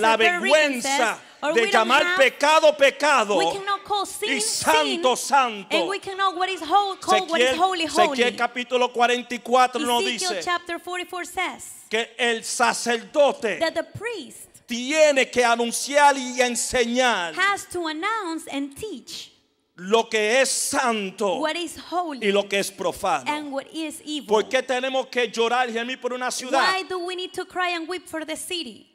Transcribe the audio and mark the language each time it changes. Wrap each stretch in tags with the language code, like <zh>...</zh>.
<es>la vergüenza de llamar pecado pecado y santo santo.</es> <en>And we cannot what is whole call what is holy holy.</en> <es>Ezequiel capítulo 44 nos dice que el sacerdote tiene que anunciar y enseñar</es> <en>has to announce and teach</en> <es>lo que es santo</es> <en>what is holy</en> <es>y lo que es profano.</es> <en>And what is evil.</en> <es>¿Por qué tenemos que llorar y gemir por una ciudad?</es> <en>Why do we need to cry and weep for the city?</en>